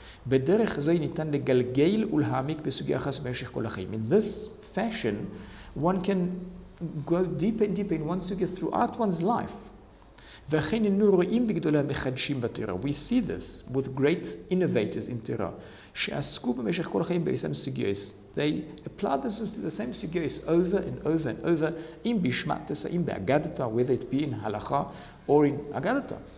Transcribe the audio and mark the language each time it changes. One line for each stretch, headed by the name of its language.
Hebrew: בדרך זו ניתן לגלגל ולהעמיק בסוגיה אחת במשך כל החיים.
English: In this fashion, one can go deep and deep in one sugya throughout one's life.
Hebrew: ואכן אנו רואים בגדולי המחדשים בתורה.
English: We see this with great innovators in Torah,
Hebrew: שעסקו במשך כל החיים בעצם סוגיות.
English: They apply this to the same sugyos over and over and over,
Hebrew: אם בשמת תסעים באגדתה,
English: whether it be in הלכה or in אגדתה.